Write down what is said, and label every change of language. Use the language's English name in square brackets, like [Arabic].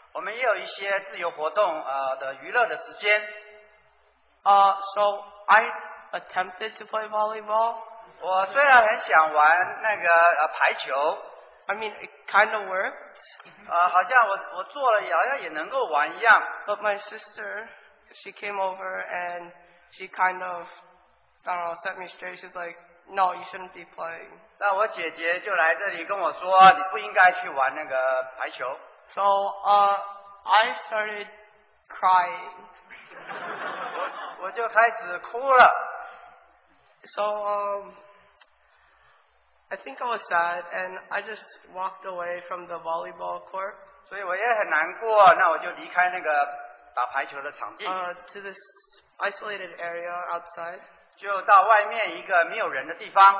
[Chinese] 我们也有一些自由活动的娱乐的时间。 [English] So I attempted to play volleyball. [Chinese] 我虽然很想玩那个排球。 [English] I mean, it kind of worked. [Chinese] 好像我做了好像也能够玩一样。 [English] But my sister, she came over and she kind of, I don't know, set me straight. She's like, no, you shouldn't be playing. [Chinese] 那我姐姐就来这里跟我说，你不应该去玩那个排球。 [English] So, I started crying. [Chinese] 我就开始哭了。 [English] So, I think I was sad, and I just walked away from the volleyball court. [Chinese] 所以我也很难过，那我就离开那个打排球的场地。 [English] To this isolated area outside. [Chinese] 就到外面一个没有人的地方。